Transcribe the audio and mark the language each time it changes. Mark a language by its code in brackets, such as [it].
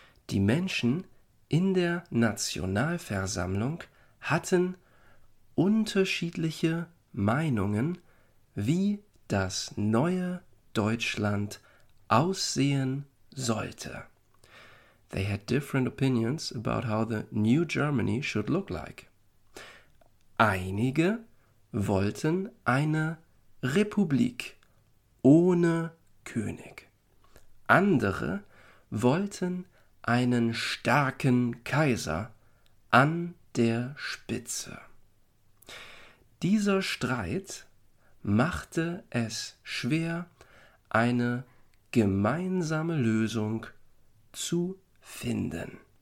[de] Die Menschen in der Nationalversammlung hatten unterschiedliche Meinungen, wie das neue Deutschland aussehen sollte. [en] They had different opinions about how the new Germany should look like. [de] Einige wollten eine Republik ohne König. Andere wollten einen starken Kaiser an der Spitze. Dieser Streit machte es schwer, eine gemeinsame Lösung zu finden.